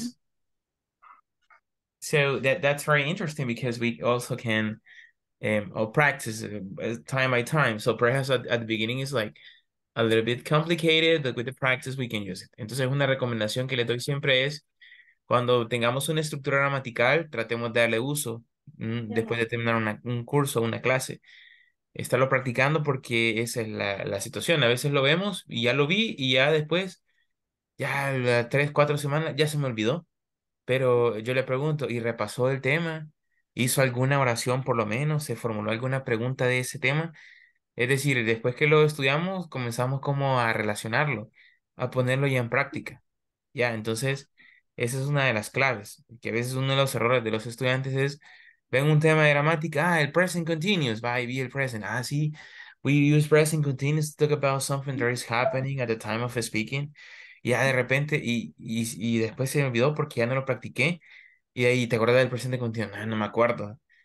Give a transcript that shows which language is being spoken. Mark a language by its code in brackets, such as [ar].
[en] Mm-hmm. So that's very interesting because we also can practice time by time. So perhaps at the beginning is like a little bit complicated, but with the practice we can use it. [es] Entonces una recomendación que le doy siempre es cuando tengamos una estructura gramatical, tratemos de darle uso después de terminar un curso, una clase. Estarlo practicando porque esa es la situación. A veces lo vemos y ya lo vi y ya después, ya las 3-4 semanas, ya se me olvidó. Pero yo le pregunto, ¿y repasó el tema? ¿Hizo alguna oración por lo menos? ¿Se formuló alguna pregunta de ese tema? Es decir, después que lo estudiamos, comenzamos como a relacionarlo, a ponerlo ya en práctica. Ya, entonces, esa es una de las claves. Que a veces uno de los errores de los estudiantes es... Ven un tema de gramática, el present continuous, va y vi el present. [en] Ah, sí, we use present continuous to talk about something that is happening at the time of speaking. [es] Ya de repente, y después se me olvidó porque ya no lo practiqué. Y ahí te acuerdas del presente continuo, no me acuerdo.